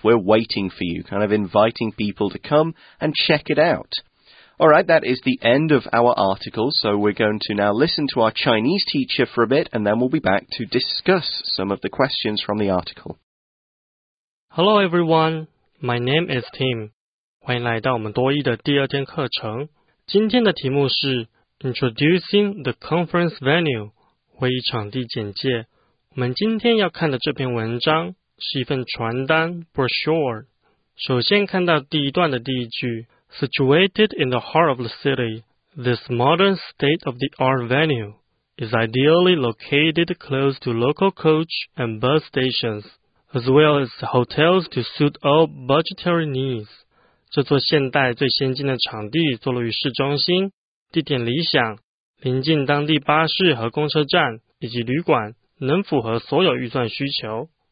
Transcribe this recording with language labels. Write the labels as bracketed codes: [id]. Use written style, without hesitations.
[en] We're waiting for you, kind of inviting people to come and check it out. All right, that is the end of our article. So we're going to now listen to our Chinese teacher for a bit, and then we'll be back to discuss some of the questions from the article. Hello, everyone. My name is Tim. [zh] 欢迎来到我们多益的第二天课程。今天的题目是 [en] Introducing the Conference Venue, [zh] 会议场地简介。我们今天要看的这篇文章是一份传单 brochure。首先看到第一段的第一句 [en] Situated in the heart of the city, this modern state-of-the-art venue is ideally located close to local coach and bus stations, as well as hotels to suit all budgetary needs. [zh] 这座现代最先进的场地坐落于市中心，地点理想，临近当地巴士和公车站以及旅馆，能符合所有预算需求。